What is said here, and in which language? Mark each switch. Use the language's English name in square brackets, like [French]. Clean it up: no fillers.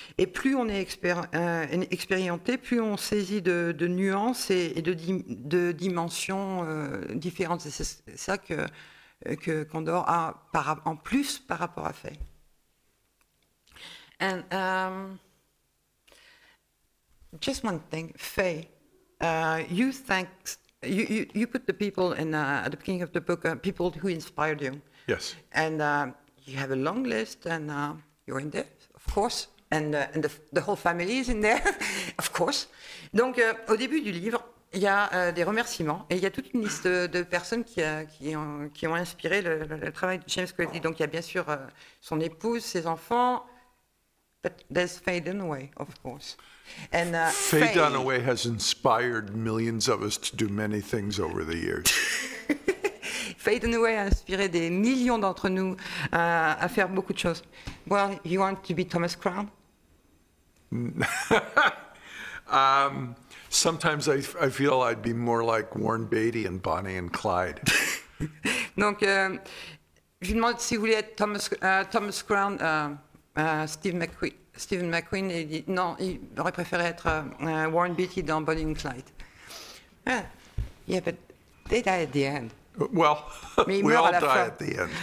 [French] Et plus on est expérimenté, plus on saisit de nuances et de dimensions différentes. Et c'est ça que Condor a en plus par rapport à Fay. [English] And just one thing, Fay, you put the people in at the beginning of the book, people who inspired you. Yes. And you have a long list, and you're in there, of course, and the whole family is in there, of course. [French] Donc, au début du livre, il y a des remerciements et il y a toute une liste de personnes qui ont inspiré le travail de James Cody. Donc, il y a bien sûr son épouse, ses enfants. [English] But there's Faye Dunaway, of course. And Faye Dunaway has inspired millions of us to do many things over the years. [French] Faye Dunaway a inspiré des millions d'entre nous à faire beaucoup de choses. [English] Well, you want to be Thomas Crown? Sometimes I feel I'd be more like Warren Beatty and Bonnie and Clyde. [French] Donc, je me demande si vous voulez être Thomas Crown, Stephen McQueen. Il dit, non, il aurait préféré être Warren Beatty dans Bonnie and Clyde. [English] Yeah, but they die at the end. Well, mais we all die at the end.